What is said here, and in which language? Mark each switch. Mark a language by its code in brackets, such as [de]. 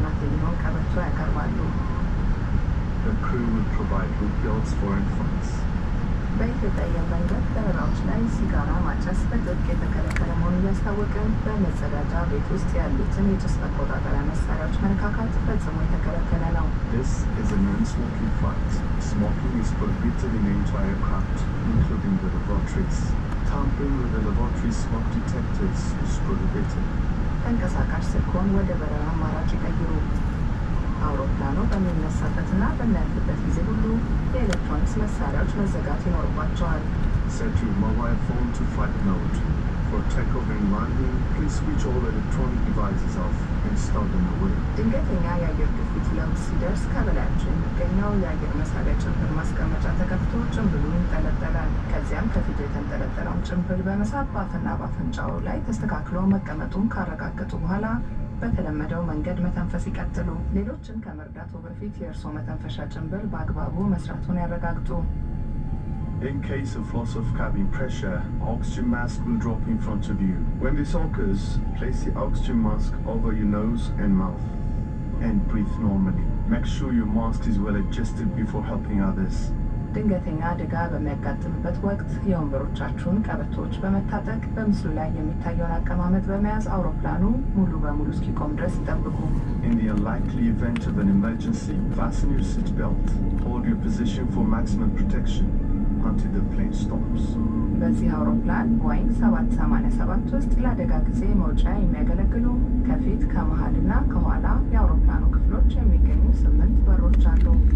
[en] The crew will provide loop belts for infants. [am] በኢትዮጵያ መንገድ ተራሮች ላይ ሲጋራ ማጨስ በጥብቅ የተከለከለ መሆኑን ያስታወቀ በመጸዳጃ ቤት ውስጥ ያሉትን የጭስ መቆጣጠሪያ መሳሪያዎች መነካካት ፈጽሞ የተከለከለ ነው። [en] This is a non-smoking flight. Smoking is prohibited in the aircraft, including the lavatories. Tampering with the lavatory smoke detectors is prohibited. [am] ተንቀሳቃሽ ስልክዎን ወደ በረራ አማራጭ ይቀይሩ። አውሮፕላኑ በሚነሳበትና በሚያርፍበት ጊዜ ሁሉ የኤሌክትሮኒክስ መሳሪያዎች መዘጋት ይኖርባቸዋል። [en] Set your mobile phone to flight mode. For takeoff and landing, please switch all electronic devices off and stow them away. [am] ድንገተኛ የአየር ግፊት ለውጥ ሲደርስ ከበላያቸው የሚገኘው የአየር መሳሪያ ጭንብል ማስቀመጫ ተከፍቶ ጭንብሉ ይንጠለጠላል። ከዚያም ከፊቱ የተንጠለጠለውን ጭንብል በመሳብ በአፍና በአፍንጫው ላይ ተስተካክሎ መቀመጡን ካረጋገጡ በኋላ በተለመደው መንገድ መተንፈስ ይቀጥሉ። ሌሎችን ከመርዳቱ በፊት የእርስዎ መተንፈሻ ጭንብል በአግባቡ መስራቱን ያረጋግጡ። [en] In case of loss of cabin pressure, oxygen mask will drop in front of you. When this occurs, place the oxygen mask over your nose and mouth and breathe normally. Make sure your mask is well adjusted before helping others. [am] ድንገተኛ አደጋ በሚያጋጥምበት ወቅት የወንበሮቻችሁን ቀበቶዎች በመታጠቅ በምስሉ ላይ የሚታየውን አቀማመጥ በመያዝ አውሮፕላኑ ሙሉ በሙሉ እስኪቆም ድረስ ይጠብቁ። [en] In the unlikely event of an emergency, fasten your seat belt. Hold your position for maximum protection. Until the plane stops. [am] በዚህ አውሮፕላን ቦይንግ 787 ውስጥ ለአደጋ ጊዜ መውጫ የሚያገለግሉ ከፊት ከመሃልና ከኋላ የአውሮፕላኑ ክፍሎች የሚገኙ 8 በሮች አሉ።